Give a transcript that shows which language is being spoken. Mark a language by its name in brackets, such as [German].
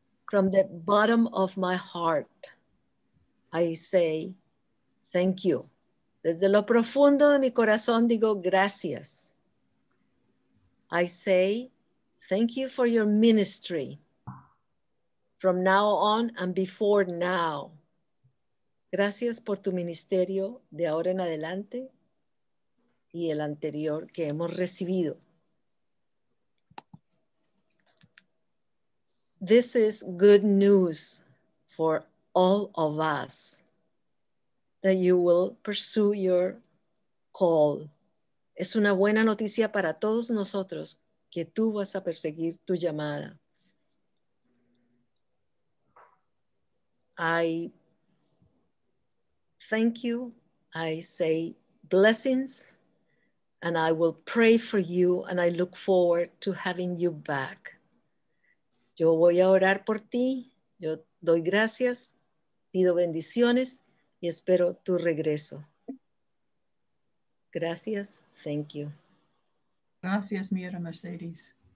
[English] From the bottom of my heart, I say thank you. [Spanish] Desde lo profundo de mi corazón digo gracias. [English] I say thank you for your ministry. From now on and before now. [Spanish] Gracias por tu ministerio de ahora en adelante y el anterior que hemos recibido. [English] This is good news for all of us that you will pursue your call. [Spanish] Es una buena noticia para todos nosotros que tú vas a perseguir tu llamada. [English] I thank you. I say blessings and I will pray for you and I look forward to having you back. [Spanish] Yo voy a orar por ti, yo doy gracias, pido bendiciones y espero tu regreso. [English] Gracias, thank you. [Spanish] Gracias, Mira Mercedes.